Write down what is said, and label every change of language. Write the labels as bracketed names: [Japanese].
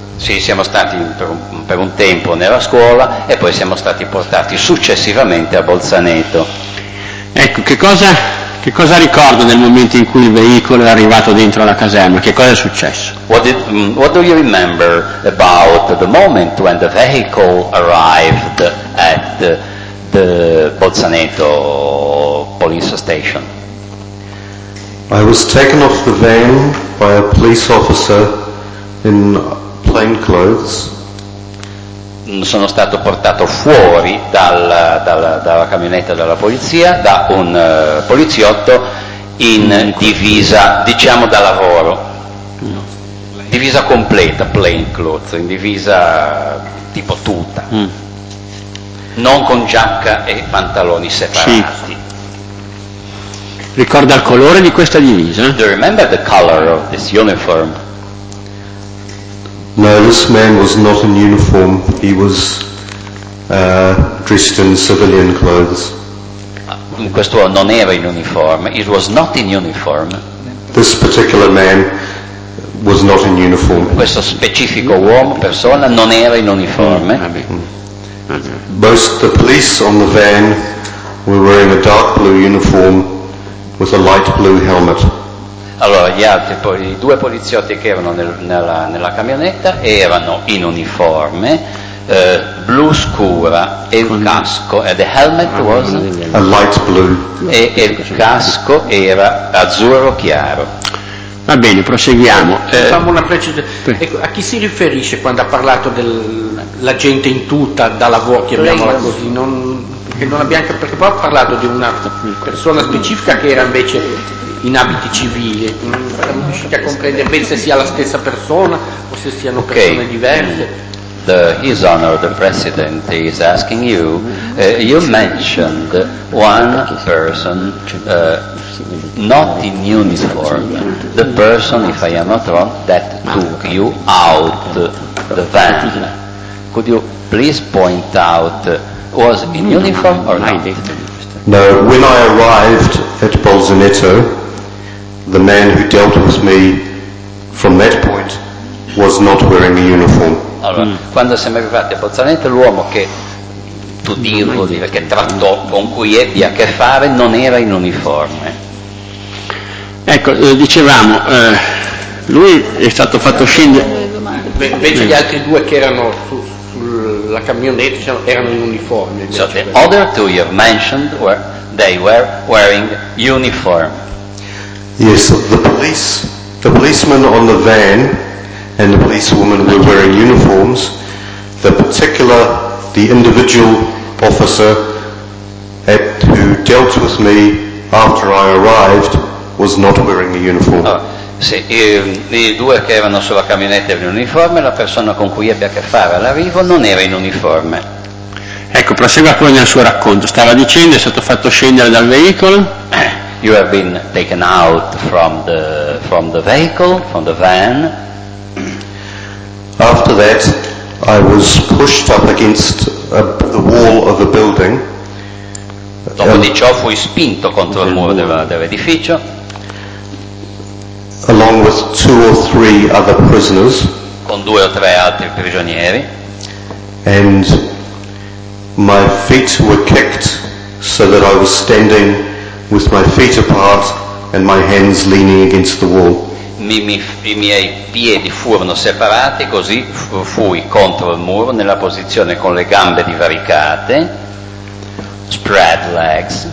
[Italian] Sì, siamo stati per un tempo nella scuola e poi siamo stati portati successivamente a Bolzaneto. Ecco, che cosa ricordo del momento in cui il veicolo è arrivato dentro la caserma? Che cosa è successo? [English] What do you remember about the moment when the vehicle arrived at the Bolzaneto police station? I was taken off the van by a police officer in plain clothes. [Italian] Sono stato portato fuori dalla camionetta della polizia da un poliziotto in divisa, diciamo, da lavoro. Divisa completa, [English] plain clothes, [Italian] in divisa tipo tuta. Non con giacca e pantaloni separati. Sì. Ricorda il colore di questa divisa? [English] Do you remember the color of this uniform? No, this man was not in uniform, he was dressed in civilian clothes. [Italian] Questo non era in uniforme, [English] it was not in uniform. This particular man was not in uniform. [Italian] Questo specifico uomo, persona, non era in uniforme. [English] Most the police on the van were wearing a dark blue uniform with a light blue helmet. [Italian] Allora, gli altri, poi, i due poliziotti che erano nella camionetta erano in uniforme blu scura e il casco, [English] the helmet was a light blue, [Italian] e il casco era azzurro chiaro. Va bene, proseguiamo. Facciamo una precisazione. Ecco, a chi si riferisce quando ha parlato della gente in tuta da lavoro, chiamiamola così? Perché poi ha parlato di una persona specifica che era invece in abiti civili. Non siamo riusciti a comprendere bene se sia la stessa persona o se siano persone diverse. [English] The His Honor, the President, is asking you. You mentioned one person not in uniform. The person, if I am not wrong, that took you out the van. Could you please point out, was in uniform or not? No, when I arrived at Bolzaneto, the man who dealt with me from that point was not wearing a uniform. [Italian] Allora, quando siamo arrivati a Bolzaneto, l'uomo che tu dirvo dire che trattò, con cui ebbi a che fare, non era in uniforme. Ecco, dicevamo, lui è stato fatto scendere. Invece gli altri due che erano sulla camionetta, cioè, erano in uniforme. [English] So the other two you mentioned were, they were wearing uniform. Yes, so the policeman on the van and the policewoman were wearing uniforms. The individual officer who dealt with me after I arrived was not wearing a uniform. [Italian] Allora, sì, i due che erano sulla camionetta erano in uniforme, la persona con cui ebbe a che fare all'arrivo non era in uniforme. Ecco, prosegua pure nel suo racconto. Stava dicendo, è stato fatto scendere dal veicolo. [English] You have been taken out from the vehicle, from the van. After that, I was pushed up against the wall of a building. [Italian] Dopo di ciò fui spinto contro il muro dell'edificio. [English] Along with two or three other prisoners. [Italian] Con due o tre altri prigionieri. [English] And my feet were kicked so that I was standing with my feet apart and my hands leaning against the wall. [Italian] I miei piedi furono separati, così fui contro il muro nella posizione con le gambe divaricate, [English] spread legs.